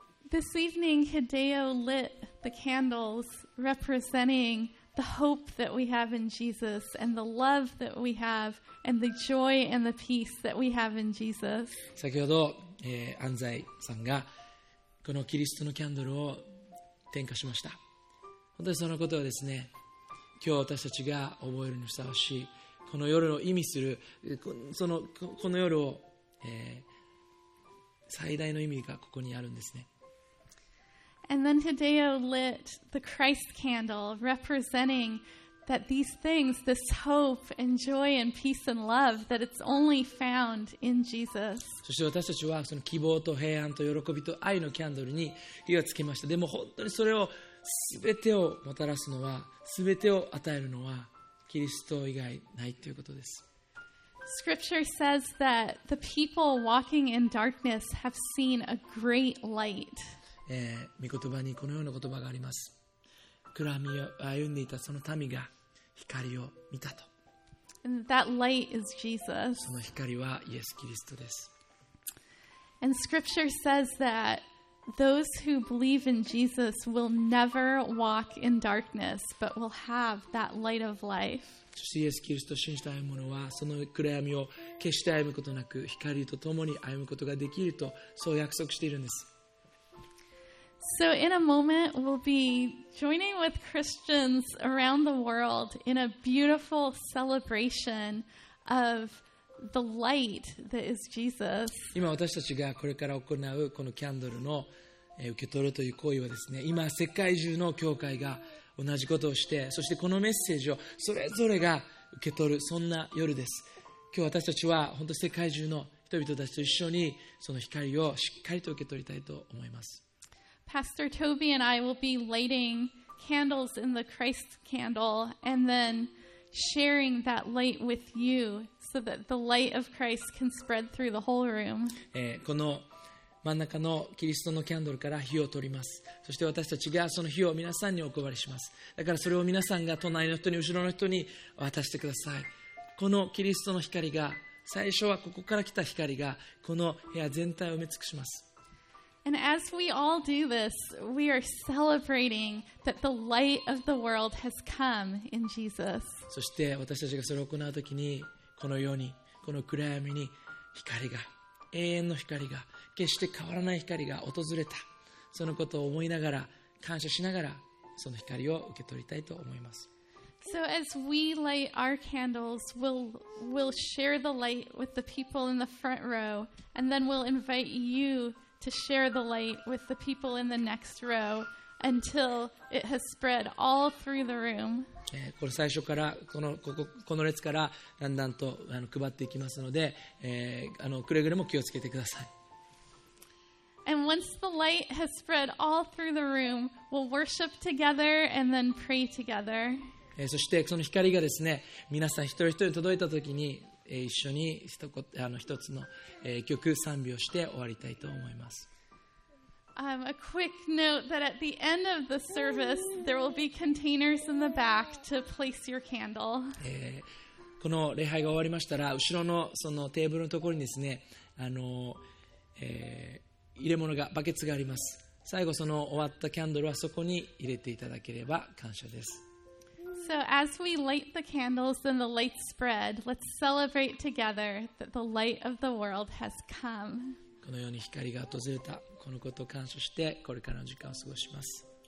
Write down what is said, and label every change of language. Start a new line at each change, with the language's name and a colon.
English: This evening, Hideo lit the candles representing the hope that we have in Jesus and the love that we have and the joy and the peace that we have in Jesus.
Japanese: 先ほど、安西さんがこのキリストのキャンドルを点火しました。本当にそのことはですね、今日私たちが覚えるにふさわしい、この夜を意味する、この夜を、最大の意味がここにあるんですね。
English: And then Hideo lit the Christ candle, representing that these things, this hope and joy and peace and love, that it's only found in Jesus.
Japanese: そして私たちはその希望と平安と喜びと愛のキャンドルに火をつけました。でも本当にそれを全てをもたらすのは、全てを与えるのはキリスト以外ないということです。
English: Scripture says that the people walking in darkness have seen a great light.
Japanese: 御言葉にこのような言葉があります。暗闇を歩んでいたその民が光を見たと。
English: And that light is Jesus.
Japanese: その光はイエス・キリストです。
English: And Scripture says that those who believe in Jesus will never walk in darkness, but will have that light of life.
Japanese: そしてイエス・キリストを信じた者はその暗闇を決して歩むことなく光と共に歩むことができると、そう約束しているんです。
English: So in a moment we'll be joining with Christians around the world in a beautiful celebration of the light that is Jesus.
Japanese: 今私たちがこれから行うこのキャンドルの受け取るという行為はですね、今世界中の教会が同じことをして、そしてこのメッセージをそれぞれが受け取る、そんな夜です。今日私たちは本当世界中の人々たちと一緒にその光をしっかりと受け取りたいと思います。
English: Pastor Toby and I will be lighting candles in the Christ candle and then sharing that light with you so that the light of Christ can spread through the whole room.
Japanese: この真ん中のキリストのキャンドルから火を取ります。そして私たちがその火を皆さんにお配りします。だからそれを皆さんが隣の人に後ろの人に渡してください。このキリストの光が、最初はここから来た光がこの部屋全体を埋め尽くします。
English: And as we all do this, we are celebrating that the light of the world has come in Jesus.
Japanese: そして私たちがそれを行うときに、この世に、この暗闇に光が、永遠の光が、決して変わらない光が訪れた。そのことを思いながら、感謝しながら、その光を受け取りたいと思います。
English: So as we light our candles, we'll share the light with the people in the front row, and then we'll invite you to share the light with the people in the next row until it has spread all through the room.
Japanese: この最初からこの列からだんだんと配っていきますので、くれぐれも気をつけてください。
English: And once the light has spread all through the room, we'll worship together and then pray together.
Japanese: そしてその光がですね、皆さん一人一人に届いたときに、一緒に一つの曲賛美をして終わりたいと思います。
English: A quick note that at the end of the service, there will be containers in the back to place your candle.
Japanese: この礼拝が終わりましたら、後ろのそのテーブルのところにですね、入れ物が、バケツがあります。最後その終わったキャンドルはそこに入れていただければ感謝です。
English: So as we light the candles and the light spread, let's celebrate together that the light of the world has come.
Japanese: このように光が訪れた、このことを感謝して、これからの時間を過ごします。